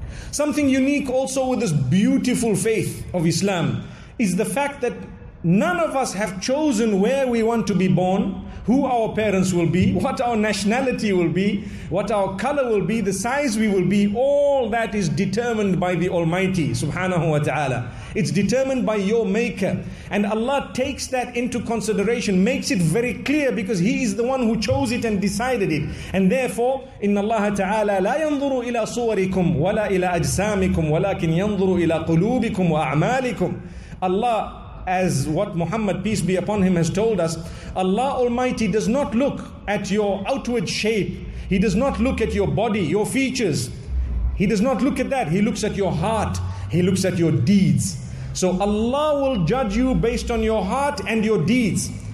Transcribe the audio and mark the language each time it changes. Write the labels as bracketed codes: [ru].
[en] Something unique also with this beautiful faith of Islam is the fact that none of us have chosen where we want to be born, who our parents will be, what our nationality will be, what our color will be, the size we will be. All that is determined by the Almighty, subhanahu wa ta'ala. It's determined by your Maker. And Allah takes that into consideration, makes it very clear because He is the one who chose it and decided it. And therefore, [ar] إِنَّ اللَّهَ تَعَالَى لَا يَنْظُرُ إِلَىٰ صُوَرِكُمْ وَلَىٰ إِلَىٰ أَجْسَامِكُمْ وَلَكِنْ يَنْظُرُ إِلَىٰ قُلُوبِكُمْ وَأَعْمَالِكُمْ. [en] Allah, as what Muhammad, peace be upon him, has told us, Allah Almighty does not look at your outward shape. He does not look at your body, your features. He does not look at that. He looks at your heart. He looks at your deeds. So Allah will judge you based on your heart and your deeds.